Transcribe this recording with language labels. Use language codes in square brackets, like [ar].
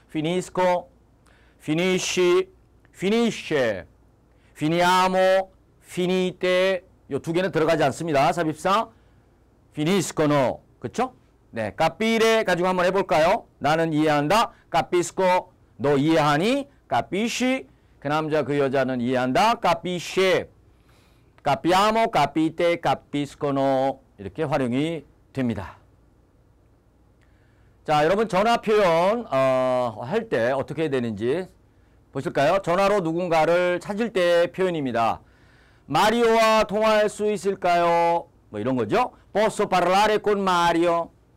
[it] finisco, finisci, finisce, finiamo, finite. [ko] 요 두 개는 들어가지 않습니다. 삽입사. finisco no. 그쵸? 네. capire 가지고 한번 해볼까요? 나는 이해한다. capisco. 너 이해하니? capisci. 그 남자, 그 여자는 이해한다. [it] capisce. capiamo, capite, capisco no. [ko] 이렇게 활용이 됩니다. 자, 여러분 전화 표현, 할 때 어떻게 해야 되는지. 보실까요? 전화로 누군가를 찾을 때 표현입니다. 마리오와 통화할 수 있을까요? 뭐 이런 거죠. [it] Posso parlare con Mario?